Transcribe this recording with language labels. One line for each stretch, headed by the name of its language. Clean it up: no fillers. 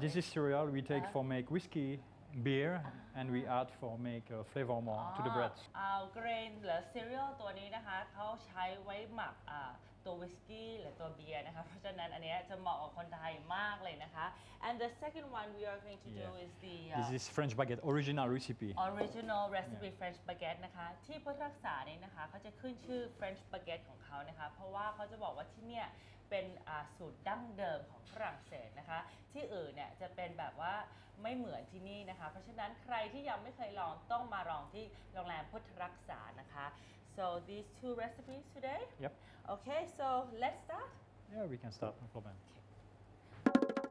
English: This is cereal we take for make whiskey. Beer and we add for make a flavor more to the bread.
Thai: Grain หรือ cereal ตัวนี้นะคะเขาใช้ไว้หมักตัว whiskey หรือตัว beer นะคะเพราะฉะนั้นอันนี้จะเหมาะกับคนไทยมากเลยนะคะ
English: And the second one we are going to do is the This is French baguette original recipe.
Thai: Original recipe French baguette นะคะที่พุทธรักษานี้นะคะเขาจะขึ้นชื่อ French baguette ของเขานะคะเพราะว่าเขาจะบอกว่าที่เนี่ยเป็นสูตรดั้งเดิมของฝรั่งเศสนะคะที่อื่นเนี่ยจะเป็นแบบว่าไม่เหมือนที่นี่นะคะเพราะฉะนั้นใครที่ยังไม่เคยลองต้องมาลองที่โรงแรมพุทธรักษานะคะ
English: so these two recipes today yep okay so let's start yeah we can start no problem okay.